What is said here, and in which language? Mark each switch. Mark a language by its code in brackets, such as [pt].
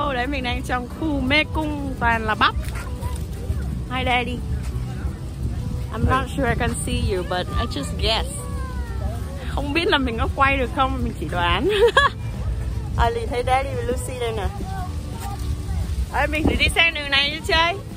[vi] Mình đang trong khu mê cung toàn là bắp. [en] Hi Daddy. I'm not sure I can see you, but I just guess. [vi] không biết là mình có quay được không, mình chỉ đoán. Ali thấy Daddy và Lucy đây nè. Ê, mình thì đi xem đường này đi chơi.